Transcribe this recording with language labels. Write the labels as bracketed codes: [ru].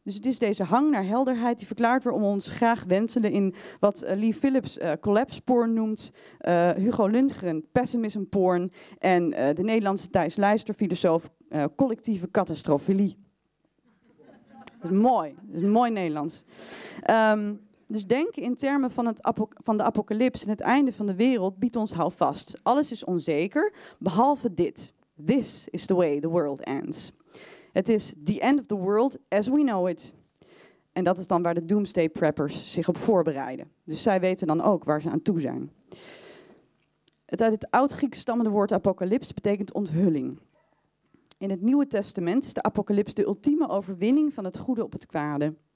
[nl] Dus het is deze hang naar helderheid die verklaart waarom we ons graag wenselen in wat Lee Phillips collapse porn noemt, Hugo Lundgren pessimism porn en de Nederlandse Thijs Leijster filosoof collectieve catastrofilie. Dat is mooi, dat is mooi Nederlands. Dus denken in termen van, van de apocalyps en het einde van de wereld biedt ons houvast. Alles is onzeker, behalve dit. [en] This is the way the world ends. [nl] Het is [en] the end of the world as we know it. [nl] En dat is dan waar de doomsday preppers zich op voorbereiden. Dus zij weten dan ook waar ze aan toe zijn. Het uit het oud-Grieks stammende woord apocalyps betekent onthulling. In het Nieuwe Testament is de apocalyps de ultieme overwinning van het goede op het kwade.